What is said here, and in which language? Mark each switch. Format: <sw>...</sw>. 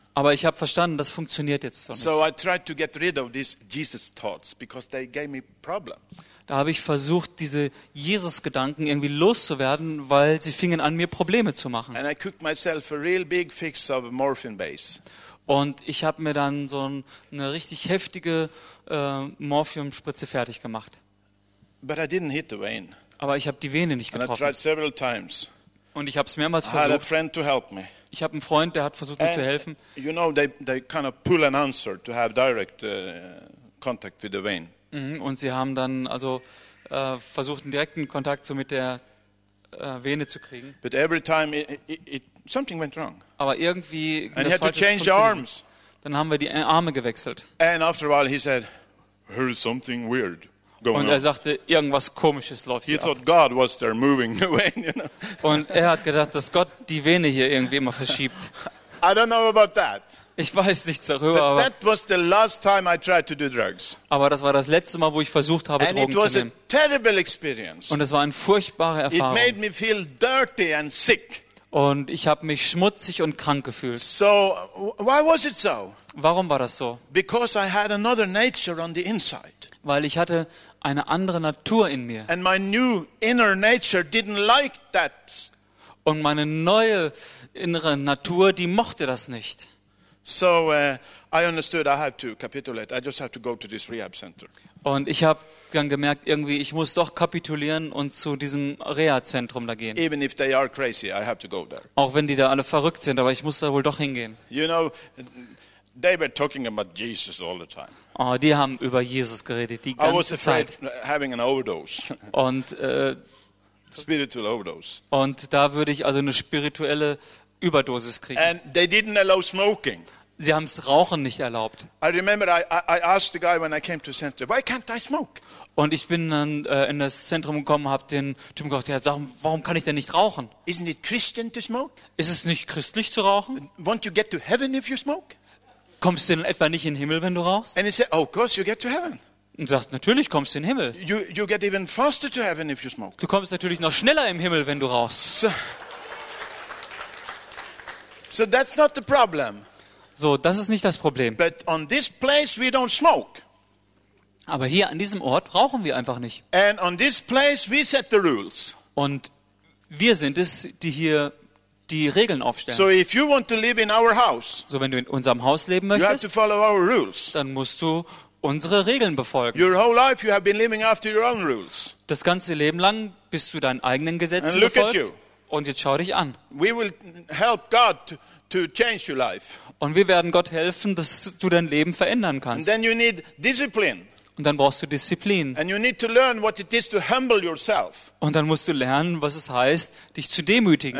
<de>Aber ich habe verstanden, das funktioniert jetzt so nicht.</de> <en>So I tried to get rid of these Jesus thoughts because they gave me problems.</en> <de>Da habe ich versucht, diese Jesus-Gedanken irgendwie loszuwerden, weil sie fingen an, mir Probleme zu machen.</de> <en>And I cooked myself a real big fix of morphine base.</en> <de>Und ich habe mir dann so eine richtig heftige Morphiumspritze fertig gemacht.</de> <en>But I didn't hit the vein.</en> <de>Aber ich habe die Vene nicht getroffen.</de> <en>And I tried several times.</en> <de>Und ich habe es mehrmals versucht.</de> <en>I had a friend to help me.</en> <de>Ich habe einen Freund, der hat versucht, mir zu helfen.</de> <en>You know, they kind of pull an answer to have direct contact with the vein.</en> <de>Und sie haben dann also versucht, einen direkten Kontakt so mit der Vene zu kriegen.</de> <en>But every time something went wrong.</en> <de>Aber irgendwie.</de> <en>And he had to change the arms.</en> <de>Dann haben wir die Arme gewechselt.</de> <en>And after a while, he said, "There is something weird."</en> <de>Und er sagte, irgendwas Komisches läuft hier.</de> <en>He thought God was there moving the vein, you know?</en> <de>Und er hat gedacht, dass Gott die Vene hier irgendwie immer verschiebt.</de> <en>I don't know about that.</en> <de>Ich weiß nichts darüber.</de> <en>But that was the last time I tried to do drugs.</en> <de>Aber das war das letzte Mal, wo ich versucht habe,</de> <en>and</en> <de>Drogen</de> <en>it was</en> <de>zu nehmen.</de> <en>A terrible experience.</en> <de>Und es war eine furchtbare Erfahrung.</de> <en>It made me feel dirty and sick.</en> <de>Und ich habe mich schmutzig und krank gefühlt.</de> <en>So, why was it so?</en> <de>Warum war das so?</de> <en>Because I had another nature on the inside.</en> <de>Weil ich hatte eine andere Natur in mir.</de> <en>And my new inner nature didn't like that.</en> <de>Und meine neue innere Natur, die mochte das nicht.</de> <en>So I understood I have to capitulate. I just have to go to this rehab center.</en> <de>Und ich habe dann gemerkt, irgendwie ich muss doch kapitulieren und zu diesem Reha-Zentrum da gehen.</de> <en>Even if they are crazy, I have to go there.</en> <de>Auch wenn die da alle verrückt sind, aber ich muss da wohl doch hingehen.</de> <en>You know, they were talking about Jesus all the time.</en> <de>Oh, die haben über Jesus geredet die ganze Zeit.</de> <en>I was afraid of having an overdose.</en> <de>Und</de> <en>spiritual overdose.</en> <de>Und da würde ich also eine spirituelle Überdosis kriegen.</de> <en>And they didn't allow smoking.</en> <de>Sie haben es Rauchen nicht erlaubt.</de> <en>I remember I asked the guy when I came to center, why can't I smoke?</en> <de>Und ich bin dann in das Zentrum gekommen, habe den Typen gefragt, ja, sag, warum kann ich denn nicht rauchen?</de> <en>Isn't it Christian to smoke?</en> <de>Ist es nicht christlich zu rauchen?</de> <en>Won't you get to heaven if you smoke?</en> <de>Kommst du denn etwa nicht in den Himmel, wenn du rauchst?</de> <en>And he said, oh, of course you get to heaven.</en> <de>Und sagt, natürlich kommst du in den Himmel.</de> <en>You get even faster to heaven if you smoke.</en> <de>Du kommst natürlich noch schneller im Himmel, wenn du rauchst.</de> <en>So that's not the problem.</en> <de>So, das ist nicht das Problem.</de> <en>But on this place we don't smoke.</en> <de>Aber hier an diesem Ort rauchen wir einfach nicht.</de> <en>And on this place we set the rules.</en> <de>Und wir sind es, die hier die Regeln aufstellen.</de> <en>So if you want to live in our house,</en> <de>so wenn du in unserem Haus leben möchtest,</de> <en>you have to follow our rules.</en> <de>Dann musst du unsere Regeln befolgen.</de> <en>Your whole life you have been living after your own rules.</en> <de>Das ganze Leben lang bist du deinen eigenen Gesetzen befolgt.</de> <en>And look at you.</en> <de>Und jetzt schau dich an.</de> <en>We will help God to change your life.</en> <de>Und wir werden Gott helfen, dass du dein Leben verändern kannst.</de> <en>And then you need discipline.</en> <de>Und dann brauchst du Disziplin.</de> <en>And you need to learn what it is to humble yourself.</en> <de>Und dann musst du lernen, was es heißt, dich zu demütigen.</de>